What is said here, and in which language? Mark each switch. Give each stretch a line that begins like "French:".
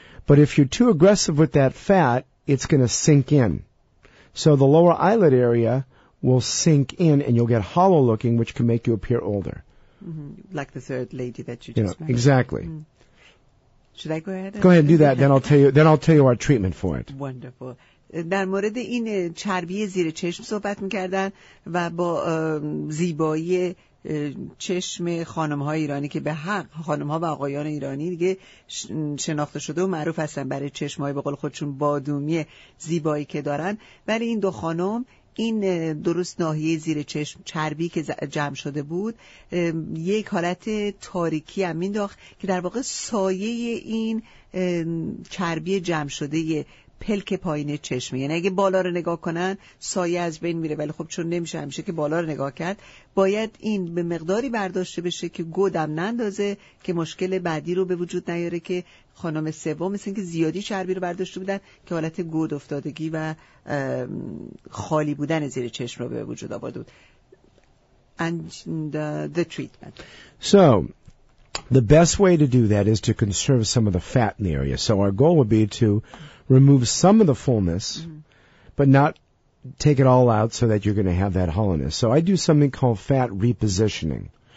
English: But if you're too aggressive with that fat, it's going to sink in. So the lower eyelid area will sink in and you'll get hollow looking, which can make you appear older. Mm-hmm. Like the third lady that you just mentioned. Exactly. Mm-hmm. Should I go ahead? Go ahead and do that. Then I'll tell you our treatment for it. Wonderful.
Persian: در مورد این چربی زیر چشم صحبت میکردن و با زیبایی چشم خانمهای ایرانی که به حق خانمها و آقایان ایرانی دیگه شناخته شده و معروف هستن برای چشمهای به قول خودشون بادومی زیبایی که دارن، ولی این دو خانم این درست ناحیه زیر چشم چربی که جمع شده بود یک حالت تاریکی هم مینداخت که در واقع سایه این چربی جمع شده پلک پایین چشمه، یعنی اگه بالا رو نگاه کنن سایه از بین میره، ولی خب چون نمیشه همیشه که بالا رو نگاه کرد، باید این به مقداری برداشته بشه که گودم نندازه که مشکل بعدی رو به وجود نیاره که خانم سوم مثل اینکه زیادی چربی رو برداشته بودن که حالت گود افتادگی و خالی بودن زیر چشم رو به وجود آورده بود.
English: And the treatment. So the best way to do that is to conserve some of the fat in the area. So our goal would be to remove some of the fullness, but not take it all out so that you're going to have that hollowness. So I do something called fat repositioning.